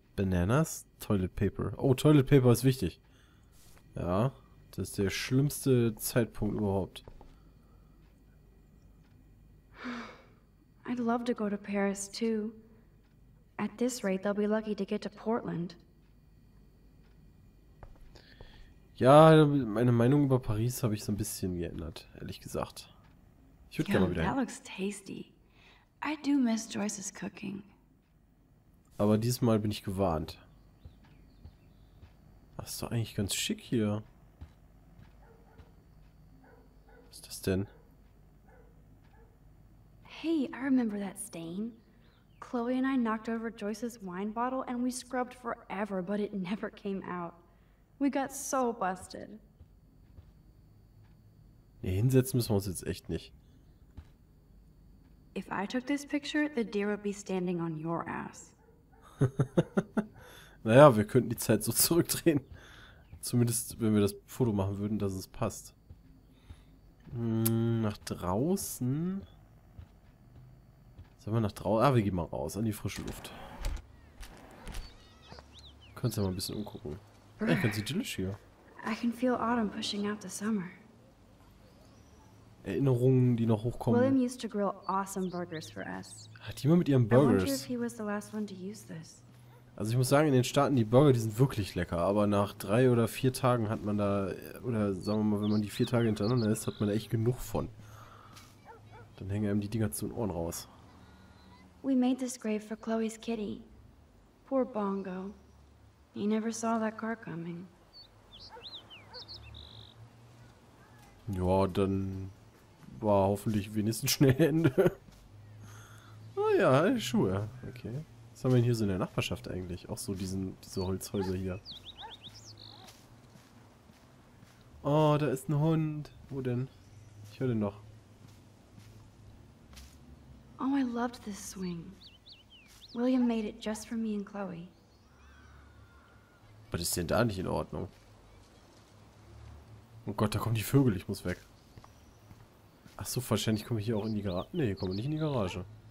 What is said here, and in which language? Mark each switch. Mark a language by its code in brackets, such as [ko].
[en] Bananas? Toilet paper. Oh, toilet paper [de] ist wichtig. Ja, das ist der schlimmste Zeitpunkt überhaupt. [en] I'd love to go to Paris, too. At this rate, they'll be lucky to get to Portland. [de] Ja, meine Meinung über Paris habe ich so ein bisschen geändert, ehrlich gesagt. Ich würde gerne mal wieder hin. [en] That looks tasty. I do miss Joyce's cooking. [de] Aber diesmal bin ich gewarnt. Das ist doch eigentlich ganz schick hier. Was ist das denn? [en] Hey, I remember that stain. Chloe and I knocked over Joyce's wine bottle and we scrubbed forever, but it never came out. We got so busted. [de] Nee, hinsetzen müssen wir uns jetzt echt nicht. [en] If I took this picture, the deer would be standing on your ass. [de] Naja, wir könnten die Zeit so zurückdrehen. Zumindest, wenn wir das Foto machen würden, dass es passt. Nach draußen... Sollen wir nach draußen? Ah, wir gehen mal raus an die frische Luft. Können wir uns ja mal ein bisschen umgucken. Ich kann sie chillisch hier. [en] I can feel autumn pushing out the summer. [de] Erinnerungen, die noch hochkommen. [en] William used to grill awesome burgers for us. [de] Hat jemand mit ihren Burgers? [en] I wonder if he was the last one to use this. [de] Also ich muss sagen, in den Staaten, die Burger, die sind wirklich lecker, aber nach 3 oder 4 Tagen hat man da, oder sagen wir mal, wenn man die 4 Tage hintereinander isst, hat man da echt genug von. Dann hängen einem die Dinger zu den Ohren raus. [en] We made this grave for Chloe's kitty. Poor Bongo. He never saw that car coming. [de] Ja, dann war hoffentlich wenigstens schnell Ende. Oh ja, Schuhe. Okay. Was haben wir denn hier so in der Nachbarschaft eigentlich? Auch so diese Holzhäuser hier. Oh, da ist ein Hund. Wo denn? Ich höre den noch. [en] Oh, I loved this swing. William made it just for me and Chloe. [de] Was ist denn da nicht in Ordnung? Oh Gott, da kommen die Vögel, ich muss weg. Ach so, wahrscheinlich komme ich hier auch in die Garage. Nee, hier komme ich nicht in die Garage.